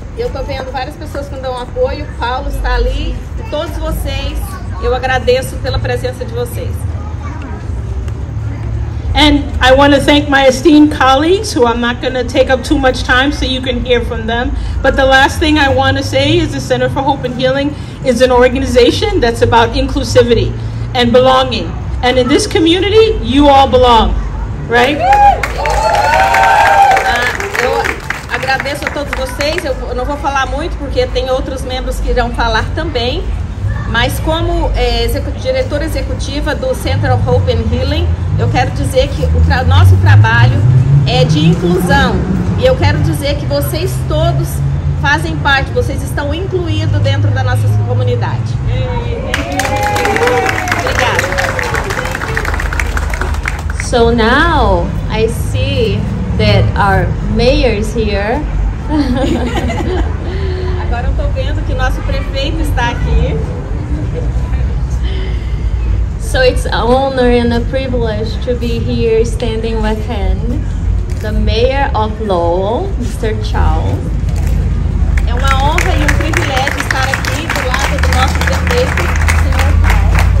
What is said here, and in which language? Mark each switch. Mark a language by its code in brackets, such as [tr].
[pt] Eu estou vendo várias pessoas que me dão apoio. Paulo está ali. Todos vocês, eu agradeço pela presença de vocês. [en] And I want to thank my esteemed colleagues, who I'm not going to take up too much time so you can hear from them. But the last thing I want to say is the Center for Hope and Healing is an organization that's about inclusivity and belonging. And in this community, you all belong, right? [pt] Eu agradeço agradeço a todos vocês. Eu não vou falar muito porque tem outros membros que irão falar também. Mas como diretora executiva do Center of Hope and Healing, eu quero dizer que o nosso trabalho é de inclusão. E eu quero dizer que vocês todos fazem parte, vocês estão incluídos dentro da nossa comunidade. Obrigada. [en] So now I see that our mayor is here. [pt] Agora eu estou vendo que nosso prefeito está aqui. [en] So it's an honor and a privilege to be here standing with him, the mayor of Lowell, Mr. Chow. [pt] É uma honra e um privilégio estar aqui do lado do nosso prefeito.